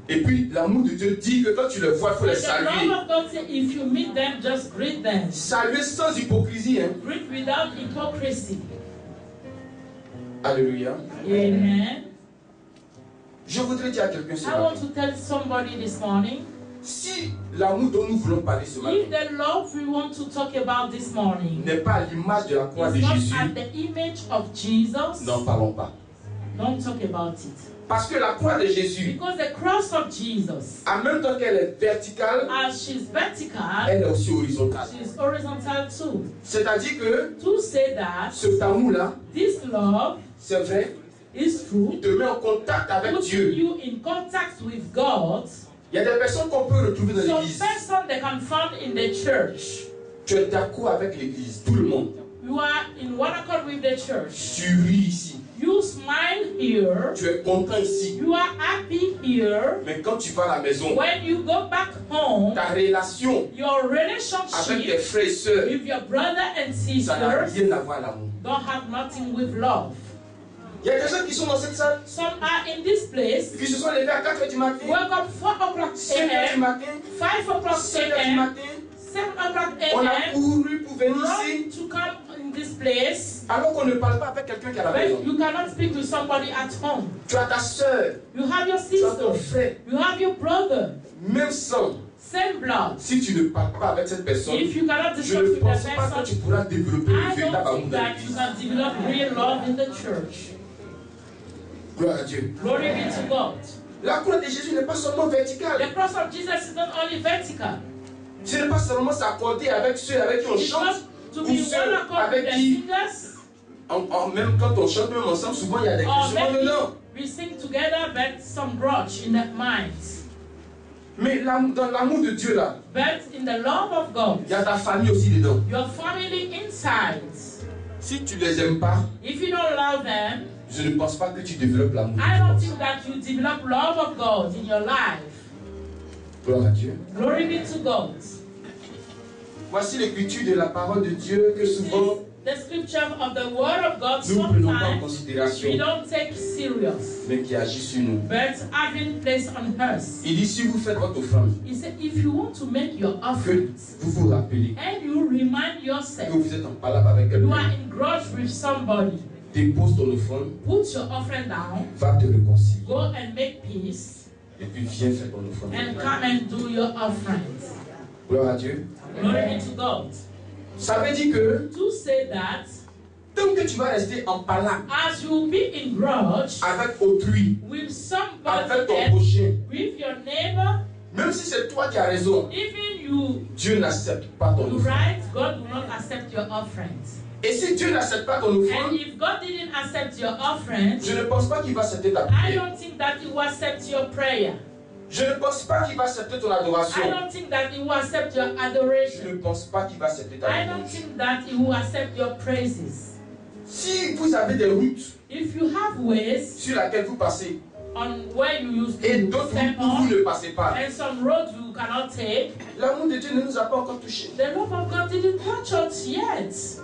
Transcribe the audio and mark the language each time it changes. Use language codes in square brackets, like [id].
[fr] Et puis l'amour de Dieu dit que quand tu le vois, il faut les saluer. [en] The love of God says if you meet them, just greet them. [fr] Saluer sans hypocrisie, hein? [en] Greet without hypocrisy. [fr] Alléluia. [en] Amen. [fr] Je voudrais dire à quelqu'un ce [en] matin. I want to tell somebody this morning. [fr] Si l'amour dont nous voulons parler ce matin, [en] if the love we want to talk about this morning, [fr] n'est pas à l'image de la croix de Jésus, [en] at the image of Jesus, [fr] n'en parlons pas. [en] Don't talk about it. [fr] Parce que la croix de Jésus, [en] because the cross of Jesus, [fr] en même temps qu'elle est verticale, [en] as she's vertical, [fr] elle est aussi horizontale. [en] She's horizontal too. [fr] C'est-à-dire que [en] to say that, [fr] ce amour-là, [en] this love, [fr] c'est vrai, [en] is true, [fr] il te met en contact avec Dieu. [en] You in contact with God, [fr] il y a des personnes qu'on peut retrouver dans l'église. [en] Some persons they can find in the church. [fr] Tu es d'accord avec l'église, tout le monde. [en] You are in one accord with the church. [fr] Tu ris ici. [en] You smile here. [fr] Tu es content ici. [en] You are happy here. [fr] Mais quand tu vas à la maison, [en] when you go back home, [fr] ta relation, [en] your relationship [fr] avec tes frères et sœurs, [en] with your brother and sisters, [fr] ça n'a rien à voir à l'amour. [en] Don't have nothing with love. [fr] Il y a des gens qui sont dans cette salle. [en] Some are in this place. [fr] Qui se sont levés à 4 du matin. [en] Woke up 4 o'clock [fr] a.m. 5 heures du matin. [en] 5 o'clock a.m. [fr] 7 heures du matin. [en] 7 o'clock a.m. [fr] On a couru pour venir ici. [en] To come in this place. [fr] Alors qu'on ne parle pas avec quelqu'un qui est à la maison. [en] You cannot speak to somebody at home. [fr] Tu as ta soeur. [en] You have your sister. [fr] Tu as ton frère. [en] You have your brother. [fr] Même sang. [en] Same blood. [fr] Si tu ne parles pas avec cette personne, [en] if you cannot discuss [fr] je ne [en] with [fr] pense [en] the [fr] pas [en] person, [fr] que tu pourras développer le véritable amour dans l'église. [en] I don't think that you can develop real love in the church. [fr] Gloire à Dieu. [en] Glory be to God. [fr] La croix de Jésus n'est pas seulement verticale. [en] The cross of Jesus is not only vertical. [fr] Ce n'est pas seulement s'accorder avec ceux avec qui on chante ou ceux avec qui [en] singers, [fr] en même quand on chante même ensemble, souvent il y a des questions dedans. [en] We sing together, but some grudge in their minds. [fr] Mais dans l'amour de Dieu là, [en] but in the love of God, [fr] il y a ta famille aussi dedans. [en] Your family inside. [fr] Si tu les aimes pas, [en] if you don't love them. [fr] Je ne pense pas que tu développes l'amour de [en] Dieu. I don't think that you develop love of God in your life. [fr] Gloire à Dieu. [en] Glory be to God. [fr] Voici l'écriture de la parole de Dieu que souvent [en] the scripture of the word of God [fr] nous prenons pas en considération. [en] We don't take serious. [fr] Mais qui agit sur nous. [en] But having place on us. [fr] Il dit si vous faites votre offrande. [en] He said if you want to make your offering. [fr] Vous vous rappelez. [en] And you remind yourself. [fr] Que vous êtes en palabre avec quelqu'un. [en] You are in grudge with somebody. [fr] Dépose ton offrande. [en] Put your offering down. [fr] Va te réconcilier. [en] Go and make peace. [fr] Et puis viens faire ton offrande. [en] And come and do your offering. [fr] Gloire à Dieu. [en] Glory be to God. [fr] Ça veut dire que [en] to say that [fr] tant que tu vas rester en palabre, [en] as you be in grudge [fr] avec autrui, [en] with somebody, [fr] avec ton prochain, [en] with your neighbor, [fr] même si c'est toi qui as raison, [en] even you, [fr] Dieu n'accepte pas ton offrande. [en] Right? God will not accept your offering. [fr] Et si Dieu n'accepte pas ton offrande, [en] and if God didn't accept your offering, [fr] je ne pense pas qu'il va accepter ta prière. [en] I don't think that he will accept your prayer. [fr] Je ne pense pas qu'il va accepter ton adoration. [en] I don't think that he will accept your adoration. [fr] Je ne pense pas qu'il va accepter ta prière. [en] I don't think that he will accept your praises. [fr] Si vous avez des routes, [en] if you have ways, [fr] sur laquelle vous passez, [en] on where you used to [fr] et d'autres step où on, vous ne passez pas, [en] and some roads you cannot take, [fr] l'amour de Dieu ne nous a pas encore touché. [en] The love of God didn't touch us yet.